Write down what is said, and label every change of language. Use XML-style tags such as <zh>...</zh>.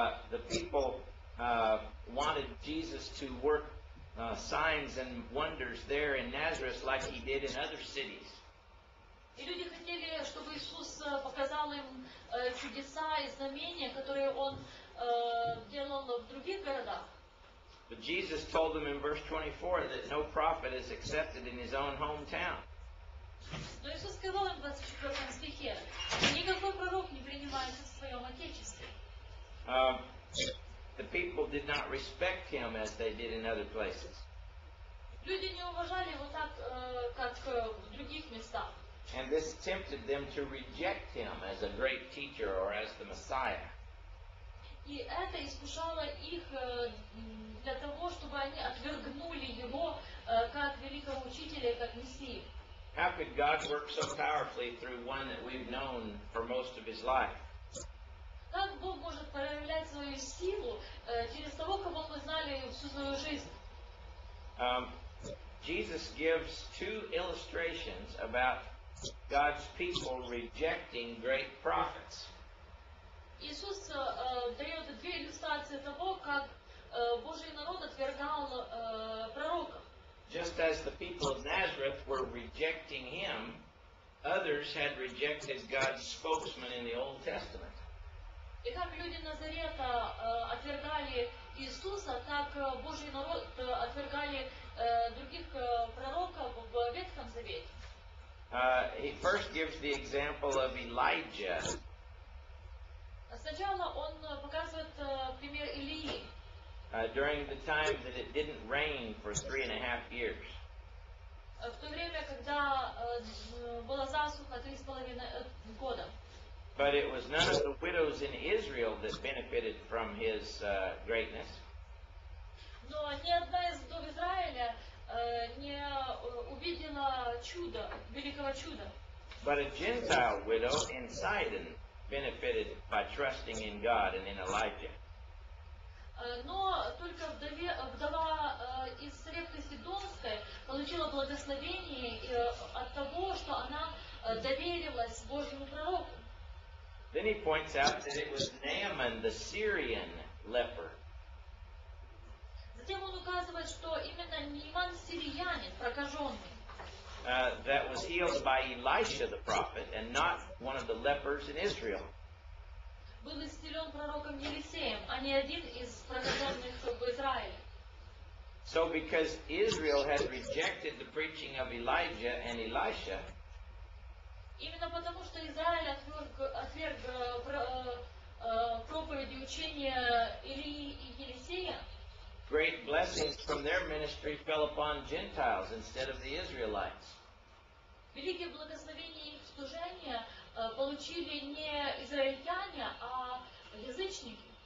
<en>The people wanted Jesus to work signs and wonders there in Nazareth like he did in other cities.</en> <ru>И люди хотели, чтобы Иисус показал им чудеса и знамения, которые он делал в других городах.</ru> <en>But Jesus told them in verse 24 that no prophet is accepted in his own hometown.</en> <ru>Но Иисус сказал им в 24 стихе, никакой пророк не принимается в своем отечестве.</ru> <en>The people did not respect him as they did in other places.</en> <ru>Люди не уважали его так, как в других местах.</ru> <en>And this tempted them to reject him as a great teacher or as the Messiah.</en> <ru>И это искушало их для того, чтобы они отвергнули его как великого учителя, как мессии.</ru> <en>How could God work so powerfully through one that we've known for most of his life?</en> <ru>Как Бог может проявлять свою силу через того, кого мы знали всю свою жизнь?</ru> <en>Jesus gives two illustrations about God's people rejecting great prophets.</en> <ru>Иисус дает две иллюстрации того, как Божий народ отвергал пророков.</ru> <en>Just as the people of Nazareth were rejecting him, others had rejected God's spokesman in the Old Testament.</en> <ru>И как люди Назарета отвергали Иисуса, так Божий народ отвергали других пророков в Ветхом Завете.</ru> <en>He first gives the example of Elijah.</en> <ru>Сначала он показывает пример Илии.</ru> <en>During the time that it didn't rain for 3.5 years.</en> <ru>В то время, когда была засуха 3.5 года.</ru> <en>But it was none of the widows in Israel that benefited from his greatness.</en> <ru>Но ни одна из вдов Израиля не увидела чудо, великого чуда.</ru> <en>But a Gentile widow in Sidon benefited by trusting in God and in Elijah.</en> <ru>Но только вдова из Сарепты Сидонской получила благословение от того, что она доверилась Божьему пророку.</ru> <en>Then he points out that it was Naaman, the Syrian leper.</en> <ru>Затем он указывает, что именно Нейман сириянин, прокаженный.</ru> <en>That was healed by Elisha the prophet and not one of the lepers in Israel.</en> <ru>Был исцелен пророком Елисеем, а не один из прокаженных в Израиле.</ru> <en>So because Israel has rejected the preaching of Elijah and Elisha,</en> <ru>именно потому что Израиль отверг проповеди учения Илии и Елисея,</ru> <en>great blessings from their ministry fell upon Gentiles instead of the Israelites.</en> <ru>Великие благословения их служения получили не израильтяне, а язычники.</ru>